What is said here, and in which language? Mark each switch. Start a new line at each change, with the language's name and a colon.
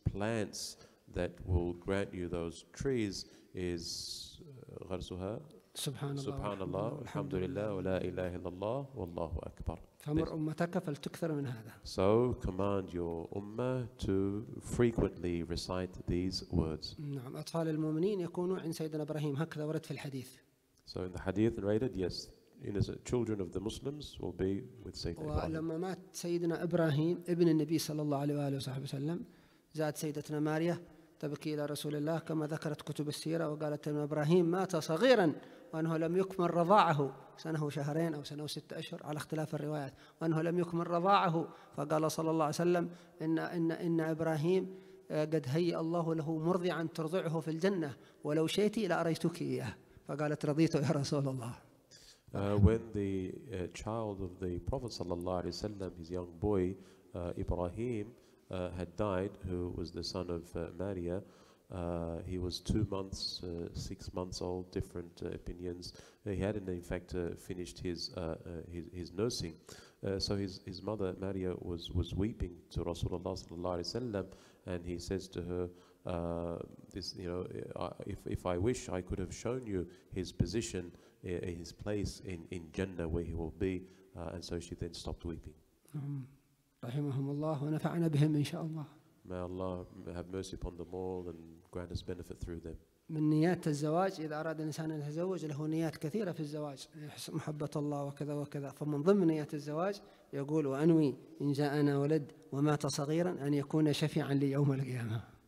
English: plants that will grant you those trees is غرسها
Arabic: Subhanallah, alhamdulillah, wa la ilaha illallah, wallahu akbar. فأمر أمتك فلتكثر من هذا.
English: So command your ummah to frequently recite these words.
Arabic: نعم أطفال المؤمنين يكونوا عند سيدنا إبراهيم هكذا ورد في الحديث.
English: So in the hadith narrated, yes, innocent children of the Muslims will be with Sayyidina Ibrahim.
Arabic: ولما مات سيدنا إبراهيم ابن النبي صلى الله عليه وآله وصحبه وسلم زاد سيدتنا ماريا تبكي إلى رسول الله كما ذكرت كتب السيرة وقالت أن إبراهيم مات صغيرا وأنه لم يكمل رضاعه سنه شهرين أو سنه ستة أشهر على اختلاف الروايات وأنه لم يكمل رضاعه فقال صلى الله عليه وسلم إن إن إن إبراهيم قد هيئ الله له مرضعا ترضعه في الجنة ولو شئت لأريتك إياه فقالت رضيت يا رسول الله.
English: When the child of the Prophet
Arabic: صلى الله عليه وسلم,
English: his young boy Ibrahim had died, who was the son of Maria. He was 2 months, 6 months old, different opinions. He hadn't in fact finished his nursing. So his mother Maria was weeping to Rasulullah sallallahu alaihi wasallam, and he says to her, this, you know, if I wish I could have shown you his position, his place in Jannah where he will be. And so she then stopped weeping.
Arabic: رحمهم الله ونفعنا بهم إن شاء الله.
English: May Allah have mercy upon them all and grant us benefit through them.
Arabic: من نيات الزواج إذا أراد الإنسان أن يتزوج له نيات كثيرة في الزواج محبة الله وكذا وكذا فمن ضمن نيات الزواج يقول وأنوي إن جاءنا ولد ومات صغيرا أن يكون شفيعا لي يوم القيامة.